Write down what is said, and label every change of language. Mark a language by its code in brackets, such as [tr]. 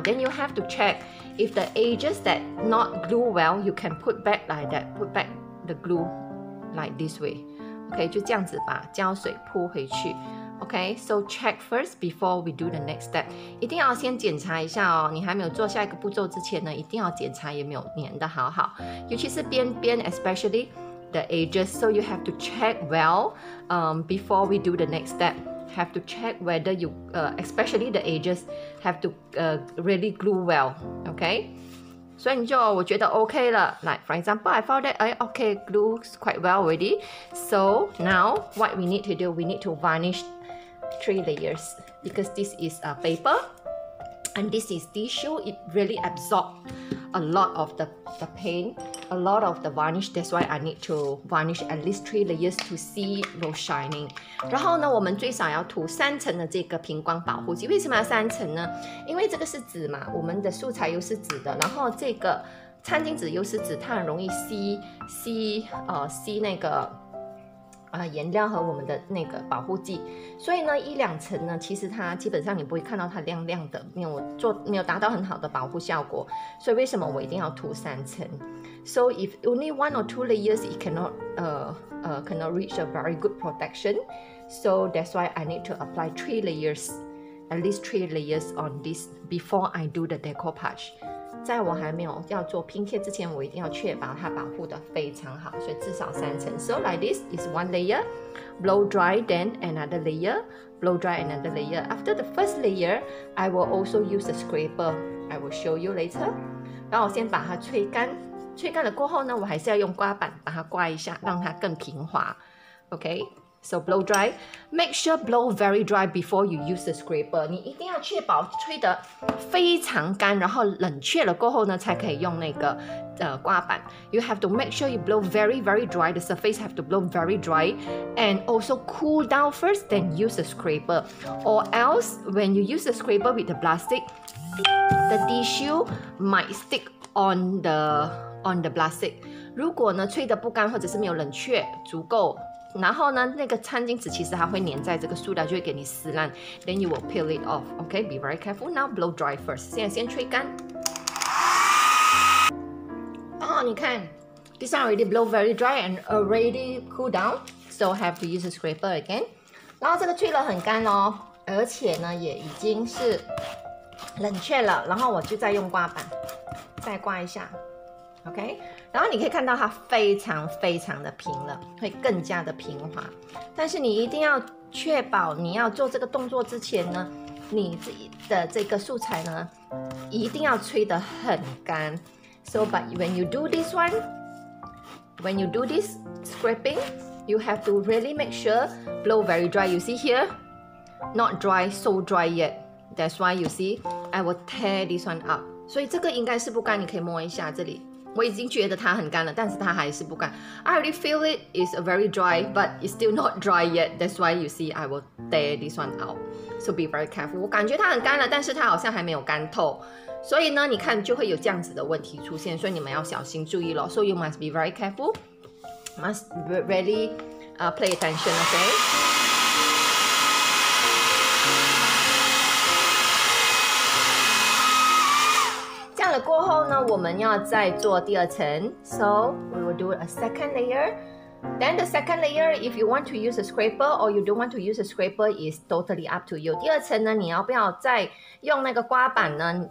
[en] Then you have to check if the edges that not glue well, you can put back like that, put back the glue like this way. OK, [zh] 就这样子把胶水铺回去。 [en] OK, so check first before we do the next step. [zh] 一定要先检查一下哦，你还没有做下一个步骤之前呢，一定要检查有没有粘得好好，尤其是边边 [en] especially the edges. So you have to check well, before we do the next step. Have to check whether you, especially the edges, have to, really glue well. OK, [zh] 所以你就我觉得 OK 了。 [en] Like for example, I found that, OK, glues quite well already. So now what we need to do, we need to varnish three layers, because this is a paper and this is tissue. It really absorbs a lot of the paint, a lot of the varnish. That's why I need to varnish at least three layers to see no shining. [zh] 然后呢，我们最少要涂三层的这个平光保护剂。为什么要三层呢？因为这个是纸嘛，我们的素材又是纸的，然后这个餐巾纸又是纸，它很容易吸那个颜料和我们的那个保护剂，所以呢，一两层呢，其实它基本上你不会看到它亮亮的，没有达到很好的保护效果。所以为什么我一定要涂三层 [en] ？So if only one or two layers, it cannot reach a very good protection. So that's why I need to apply three layers, at least three layers on this before I do the decoupage. [zh] 在我还没有要做拼贴之前，我一定要确保它保护得非常好，所以至少三层。 [en] So like this is one layer, blow dry, then another layer, blow dry another layer. After the first layer, I will also use the scraper. I will show you later. [zh] 然后我先把它吹干，吹干了过后呢，我还是要用刮板把它刮一下，让它更平滑。 [en] OK, so blow dry. Make sure blow very dry before you use the scraper. [zh] 你一定要确保吹得非常干，然后冷却了过后呢，才可以用那个刮板。 [en] You have to make sure you blow very very dry. The surface have to blow very dry and also cool down first, then use the scraper. Or else when you use the scraper with the plastic, the tissue might stick on the plastic. [zh] 如果呢吹得不干或者是没有冷却足够，然后呢，那个餐巾纸其实它会粘在这个塑料，就会给你撕烂。 [en] Then you will peel it off. OK, be very careful. Now blow dry first. [zh] 现在先吹干。 [en] Oh, [zh] 你看 [en] ，this one already blow very dry and already cool down. So have to use a scraper again. [zh] 然后这个吹了很干哦，而且呢也已经是冷却了。然后我就再用刮板再刮一下。OK, 然后你可以看到它非常非常的平了，会更加的平滑。但是你一定要确保你要做这个动作之前呢，你的这个素材呢一定要吹得很干。 [en] So but when you do this one, when you do this scraping, you have to really make sure blow very dry. You see here, not dry, so dry yet. That's why you see I will tear this one up. [zh] 所以这个应该是不干，你可以摸一下这里，我已经觉得它很干了，但是它还是不干。 [en] I already feel it is very dry, but it's still not dry yet. That's why you see I will tear this one out. So be very careful. [zh] 我感觉它很干了，但是它好像还没有干透。所以呢，你看就会有这样子的问题出现，所以你们要小心注意了。 [en] So you must be very careful. Must really pay attention, okay? [zh] 过后呢，我们要再做第二层。 [en] So we will do a second layer. Then the second layer, if you want to use a scraper or you don't want to use a scraper, is totally up to you. [zh] 第二层呢，你要不要再用那个刮板呢？